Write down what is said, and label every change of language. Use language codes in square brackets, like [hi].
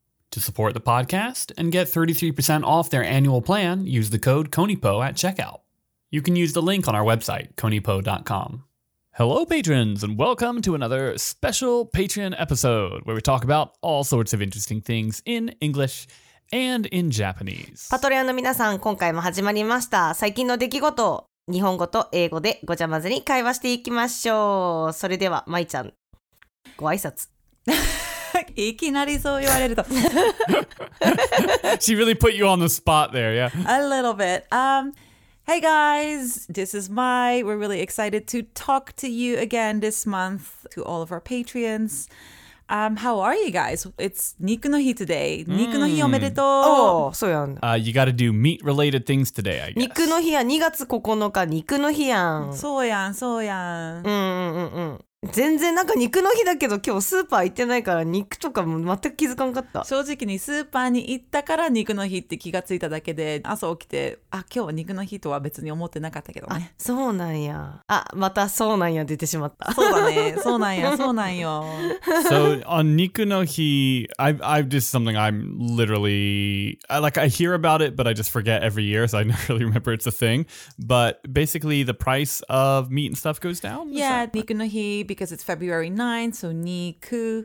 [en] To support the podcast and get 33% off their annual plan, use the code KONIPO at checkout. You can use the link on our website, konipo.com. Hello, patrons, and welcome to another special Patreon episode where we talk about all sorts of interesting things in English and in Japanese. [ja] パトレオの皆さん、今回も始まりました。最近の出来事を日本語と英語でごちゃ混ぜに会話していきましょう。それでは、まいちゃん、ご挨拶。いきなりそう言われると。 [en] She really put you on the spot there, yeah. A little bit. Hey guys, this is Mai. We're really excited to talk to you again this month to all of our Patreons. How are you guys? It's 肉の日 today. [ja] 肉の日おめでとう。 Oh, そうやん。 [en] You got to do meat related things today, I guess. [ja] 肉の日や2月9日肉の日やん。そうやん、そうやん。全然なんか肉の日だけど今日スーパー行ってないから肉とかも全く気づかんかった正直にスーパーに行ったから肉の日って気がついただけで朝起きてあ今日は肉の日とは別に思ってなかったけどねあそうなんやあまたそうなんや出てしまったそうだねそうなんやそうなんよ [en] So on 肉の日 I've just something I'm literally like I hear about it but I just forget every year so I never really remember it's a thing but basically the price of meat and stuff goes down yeah 肉の日because it's February 9th, so Niku.